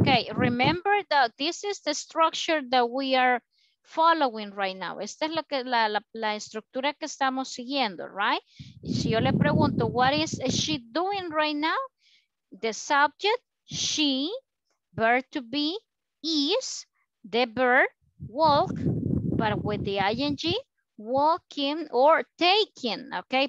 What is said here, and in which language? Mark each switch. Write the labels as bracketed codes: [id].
[en] Okay, remember that this is the structure that we are following right now. [es] Esta es lo que la estructura que estamos siguiendo, [en] right? [es] Y si yo le pregunto, [en] what is she doing right now? The subject, she, verb to be, is, the verb, walk, but with the ing, walking or taking, okay?